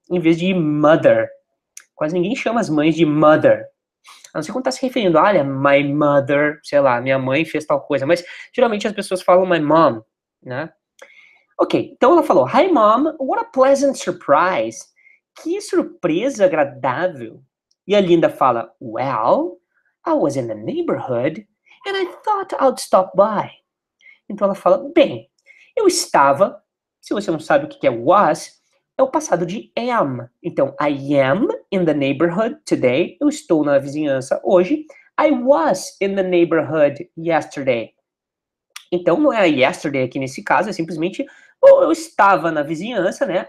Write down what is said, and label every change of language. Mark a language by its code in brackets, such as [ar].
[pt] Em vez de mother. Quase ninguém chama as mães de mother. A não ser quando tá se referindo, olha, [en] my mother, [pt] sei lá, minha mãe fez tal coisa. Mas, geralmente, as pessoas falam [en] my mom, [pt] né? Ok, então ela falou, [en] Hi, Mom, what a pleasant surprise. [pt] Que surpresa agradável. E a Linda fala, [en] Well, I was in the neighborhood and I thought I'd stop by. [pt] Então ela fala, bem, eu estava, se você não sabe o que é was, é o passado de am. [en] Então, I am in the neighborhood today. [pt] Eu estou na vizinhança hoje. [en] I was in the neighborhood yesterday. [pt] Então, não é a yesterday aqui nesse caso. É simplesmente, oh, eu estava na vizinhança, né?